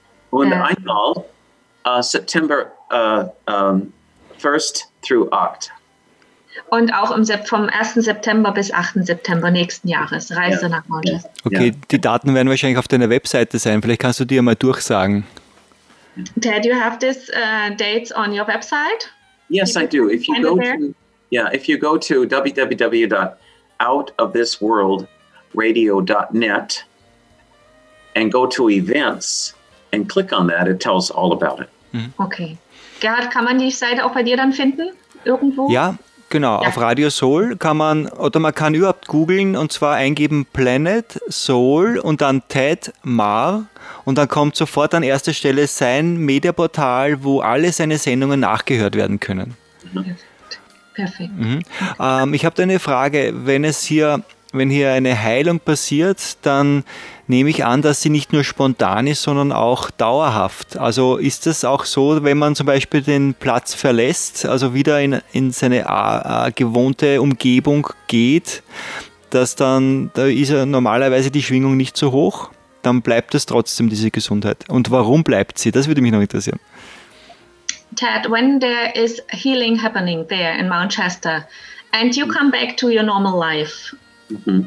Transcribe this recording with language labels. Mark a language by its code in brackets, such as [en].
[de] Und einmal [en] September 1st through 8. [de] Und auch vom 1. September bis 8. September nächsten Jahres reist er nach Mount Shasta. Okay, die Daten werden wahrscheinlich auf deiner Webseite sein. Vielleicht kannst du die mal durchsagen. [en] Ted, you have this dates on your website? Yes, I do. If you go to www.outofthisworldradio.net and go to events and click on that, it tells all about it. Okay. [de] Gerhard, kann man die Seite auch bei dir dann finden? Irgendwo? Ja, genau. Ja. Auf Radio Soul kann man, oder man kann überhaupt googeln und zwar eingeben Planet Soul und dann Ted Mar und dann kommt sofort an erster Stelle sein Mediaportal, wo alle seine Sendungen nachgehört werden können. Perfekt. Mhm. Okay. Ich habe da eine Frage. Wenn hier eine Heilung passiert, dann nehme ich an, dass sie nicht nur spontan ist, sondern auch dauerhaft. Also ist das auch so, wenn man zum Beispiel den Platz verlässt, also wieder in seine gewohnte Umgebung geht, dass dann, da ist ja normalerweise die Schwingung nicht so hoch, dann bleibt es trotzdem, diese Gesundheit. Und warum bleibt sie? Das würde mich noch interessieren. [en] Ted, when there is healing happening there in Mount Shasta and you come back to your normal life, mm-hmm.